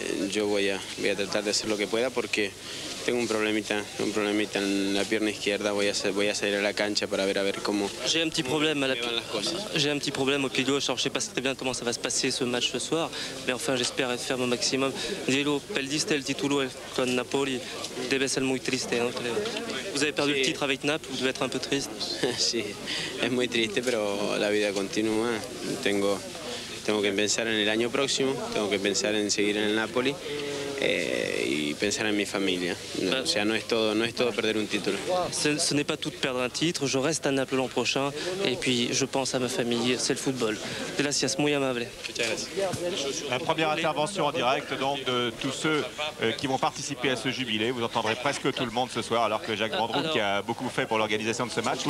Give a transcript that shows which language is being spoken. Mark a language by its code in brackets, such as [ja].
[es] Yo voy a tratar de hacer lo que pueda porque tengo un problemita en la pierna izquierda. Voy a salir a la cancha para ver cómo. [fr] J'ai un petit problème au pied gauche. Alors, je sais pas très bien comment ça va se passer ce match ce soir, mais enfin j'espère faire mon maximum. [es] Diego, perdiste el título con Napoli, debe ser muy triste, ¿no? [fr] Vous avez perdu le titre avec Naples, vous devez être un peu triste. [es] Sí, es muy triste, pero la vida continúa. Tengo que pensar en el año próximo, tengo que pensar en seguir en el Napoli y pensar en mi familia. No, o sea, no es todo perder un título. [fr] Ce n'est pas tout de perdre un titre, je reste à Naples l'an prochain et puis je pense à ma famille, c'est le football. [es] Gracias, muy amable. [fr] La première intervention en direct donc de tous ceux qui vont participer à ce jubilé. Vous entendrez presque tout le monde ce soir alors que Jacques Vendroux qui a beaucoup fait pour l'organisation de ce match.